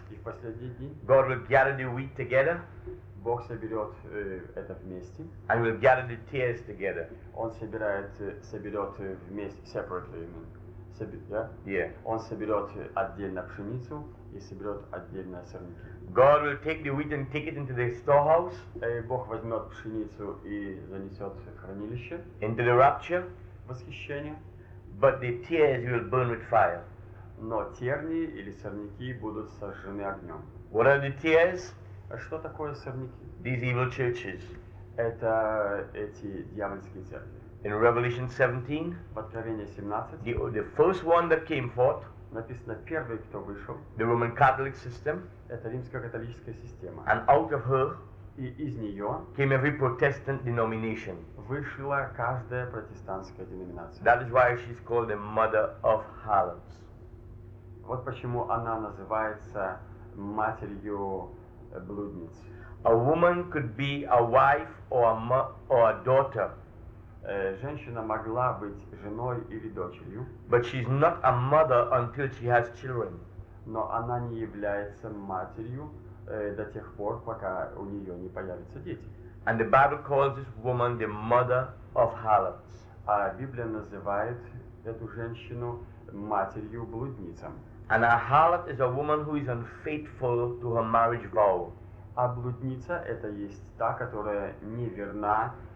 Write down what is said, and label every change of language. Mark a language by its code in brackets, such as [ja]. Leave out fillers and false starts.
[ru] И в последние дни. [en] God will gather the wheat together. [ru] Бог соберет это вместе. [en] And will gather the tares together. [ru] Он соберет вместе, [en] separately, I mean. Yeah. [ru] Он соберет отдельно пшеницу и соберет отдельно сорняки. [en] God will take the wheat and take it into the storehouse. [ru] Бог возьмет пшеницу и занесет в хранилище. [en] Into the rapture. [ru] Восхищение. [en] But the tares will burn with fire. [ru] Но тернии или сорняки будут сожжены огнем. [en] What are the tares? [ru] А что такое сорняки? [en] These evil churches. [ru] Это эти дьявольские церкви. [en] In Revelation 17, [ru] в Откровении 17, [en] the first one that came forth, [ru] написано первый, кто вышел, [en] the Roman Catholic system, [ru] это римско-католическая система, [en] and out of her, [ru] и из нее, [en] came every Protestant denomination, [ru] вышла каждая протестантская деноминация. [en] That is why she is called the Mother of Harlots. [ru] Вот почему она называется матерью блудниц. [en] A woman could be a wife or a daughter. [ru] Женщина могла быть женой или дочерью. [en] But she's not a mother until she has children. [ru] Но она не является матерью до тех пор, пока у нее не появятся дети. [en] And the Bible calls this woman the mother of harlots. [ru] А Библия называет эту женщину матерью блудницам. [en] And a harlot is a woman who is unfaithful to her marriage vow. [ru] А блудница это есть та, которая неверна